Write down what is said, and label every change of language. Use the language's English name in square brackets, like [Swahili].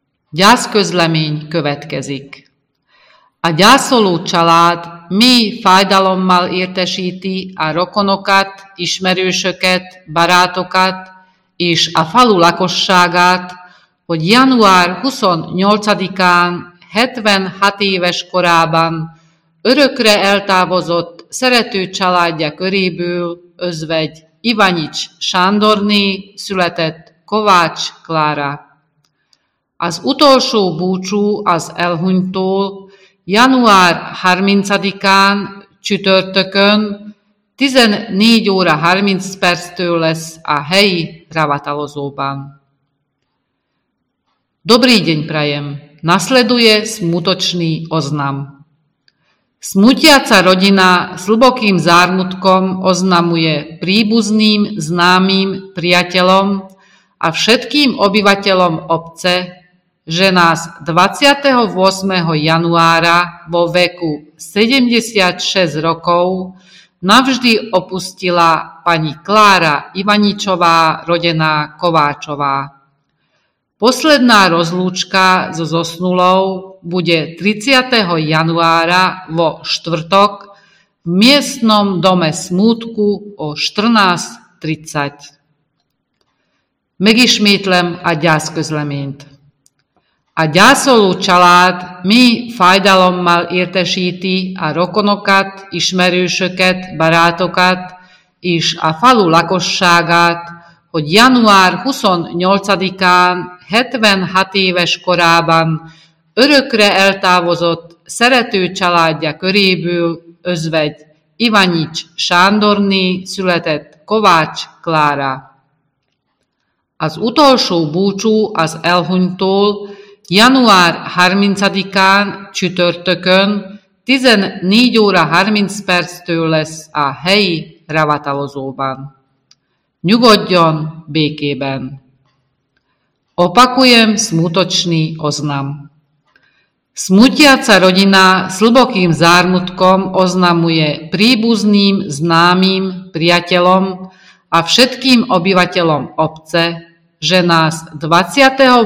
[Hungarian] Gyászközlemény következik. A gyászoló család mély fájdalommal értesíti a rokonokat, ismerősöket, barátokat és a falu lakosságát, hogy január 28-án 76 éves korában örökre eltávozott szerető családja köréből özvegy Ivanyics Sándorné született Kovács Klára. Az utolsó búcsú az elhunytól január 30-án csütörtökön 14 óra 30 perctől lesz a helyi ravatalozóban. [Slovak] Dobrý deň prajem, nasleduje smutočný oznam. Smutiaca rodina s hlbokým zármutkom oznamuje príbuzným, známym, priateľom a všetkým obyvateľom obce, že nás 28. januára vo veku 76 rokov navždy opustila pani Klára Ivaničová, rodená Kováčová. Posledná rozlúčka so zosnulou bude 30. januára vo štvrtok v miestnom dome smútku o 14:30. [Hungarian] Megismétlem a gyászközleményt. A gyászoló család mély fájdalommal értesíti a rokonokat, ismerősöket, barátokat és a falu lakosságát, hogy január 28-án 76 éves korában örökre eltávozott szerető családja köréből özvegy Ivanyics Sándorné született Kovács Klára. Az utolsó búcsú az elhunytól január 30-án csütörtökön 14 óra 30 perctől lesz a helyi ravatalozóban. Nyugodjon békében! [Slovak] Opakujem smutočný oznam. Smutiaca rodina s hlbokým zármutkom oznamuje príbuzným, známym, priateľom a všetkým obyvateľom obce, že nás 28.